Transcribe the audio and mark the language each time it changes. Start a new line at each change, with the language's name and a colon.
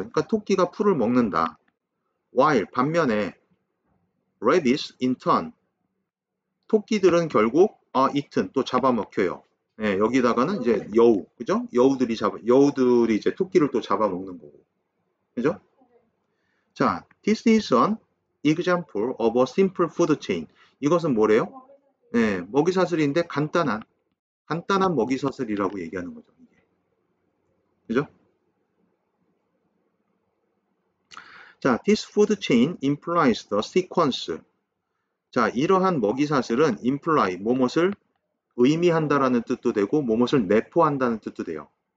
Korean: 그러니까 토끼가 풀을 먹는다.
English: While,
Korean: 반면에
English: rabbits in turn.
Korean: 토끼들은 결국 eaten, 또 잡아먹혀요. 예, 여기다가는 이제 여우, 그죠? 여우들이 이제 토끼를 또 잡아먹는 거고. 그죠?
English: 자, this is an example of a simple food chain.
Korean: 이것은 뭐래요? 예, 먹이사슬인데 간단한 먹이사슬이라고 얘기하는 거죠. 그죠?
English: 자, this food chain implies the sequence.
Korean: 자, 이러한 먹이사슬은 imply, 뭐뭇을 의미한다라는 뜻도 되고, 뭐뭇을 내포한다는 뜻도 돼요.